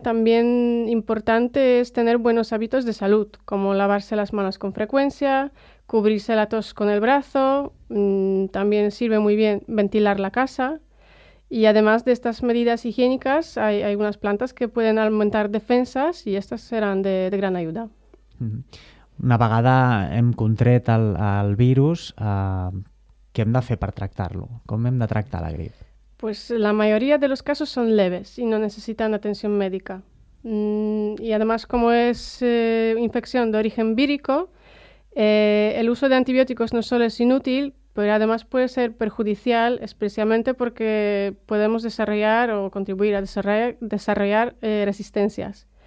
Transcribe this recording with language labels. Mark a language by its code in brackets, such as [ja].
[es] También importante es tener buenos hábitos de salud, como lavarse las manos con frecuencia, cubrirse la tos con el brazo, también sirve muy bien ventilar la casa. Y además de estas medidas higiénicas, hay unas plantas que pueden aumentar defensas y estas serán de gran ayuda. [ca] Una vegada hem contret el virus, ¿qué hem de fer per tractar-lo? ¿Com hem de tractar la grip? [es] Pues la mayoría de los casos son leves y no necesitan atención médica. Y además, como es infección de origen vírico, el uso de antibióticos no solo es inútil, pero además puede ser perjudicial, especialmente porque podemos desarrollar o contribuir a desarrollar resistencias.